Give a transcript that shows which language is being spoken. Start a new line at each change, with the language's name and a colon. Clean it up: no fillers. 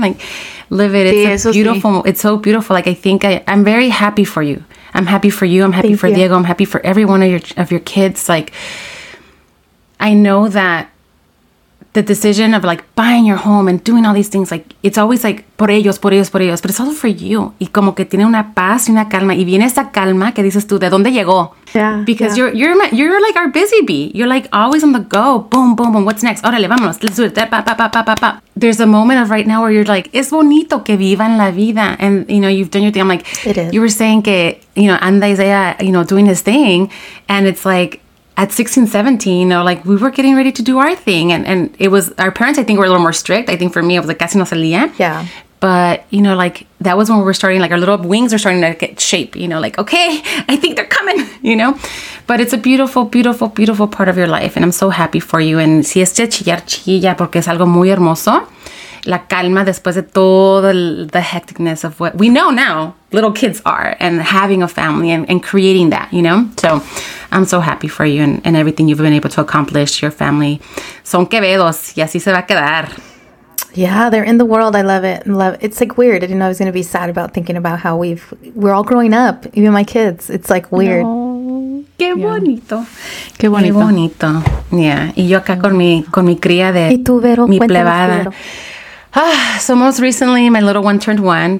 English: Like, live it. It's so beautiful.
Spanish: Sí.
English: It's so beautiful. Like, I think I'm very happy for you. I'm happy for you. I'm happy Thank for you. Diego. I'm happy for every one of your kids. Like, I know that the decision of like buying your home and doing all these things, like it's always like
Spanish: por ellos,
English: but it's also for you.
Spanish: Y como que tiene una paz y una calma. Y viene esa calma que dices tú, ¿de dónde llegó?
English: Yeah. Because yeah. You're like our busy bee. You're like always on the go. Boom, boom, boom. What's next?
Spanish: Órale, vámonos.
English: Let's do it. Da, pa, pa, pa, pa, pa. There's a moment of right now where you're like,
Spanish: es bonito que vivan la vida.
English: And, you know, you've done your thing. I'm like, it is. You were saying que, you know, anda Isaiah, you know, doing his thing. And it's like, at 16, 17, you know, like we were getting ready to do our thing. And it was, our parents, I think, were a little more strict. I think for me, it was like,
Spanish: casi no salía.
English: Yeah. But, you know, like that was when we were starting, like our little wings were starting to get shape, you know, like, okay, I think they're coming, you know. But it's a beautiful, beautiful, beautiful part of your life. And I'm so happy for you. And
Spanish: si este chillar chilla, porque es algo muy hermoso. La calma después de todo
English: the hecticness of what we know now little kids are and having a family and creating that, you know? So I'm so happy for you and everything you've been able to accomplish, your family.
Spanish: Son quevedos y así se va a quedar.
English: Yeah, they're in the world. I love it. It's like weird. I didn't know I was going to be sad about thinking about how we're all growing up, even my kids. It's like weird.
Spanish: Qué bonito.
English: Yeah.
Spanish: Y yo acá con mi cría de ¿Y tú, Vero? Mi plebada.
English: So most recently, my little one turned 1.